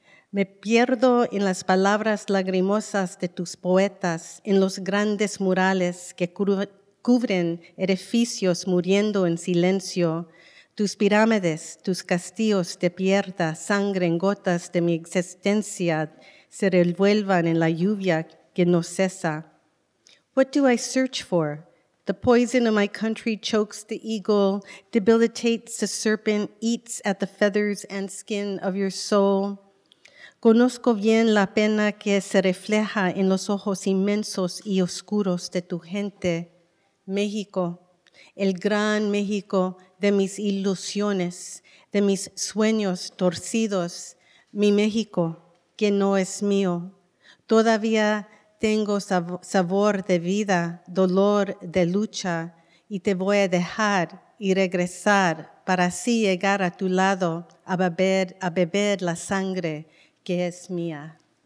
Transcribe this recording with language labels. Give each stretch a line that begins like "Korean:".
Spanish: Me pierdo en las palabras lagrimosas de tus poetas, en los grandes murales que cubren edificios muriendo en silencio, tus pirámides, tus castillos de piedra, sangre en gotas de mi existencia se revuelvan en la lluvia que no cesa.
English: What do I search for? The poison of my country chokes the eagle, debilitates the serpent, eats at the feathers and skin of your soul.
Spanish: Conozco bien la pena que se refleja en los ojos inmensos y oscuros de tu gente. México, el gran México de mis ilusiones, de mis sueños torcidos. Mi México, que no es mío. Todavía tengo sabor de vida, dolor de lucha, y te voy a dejar y regresar para así llegar a tu lado a beber la sangre que es mía.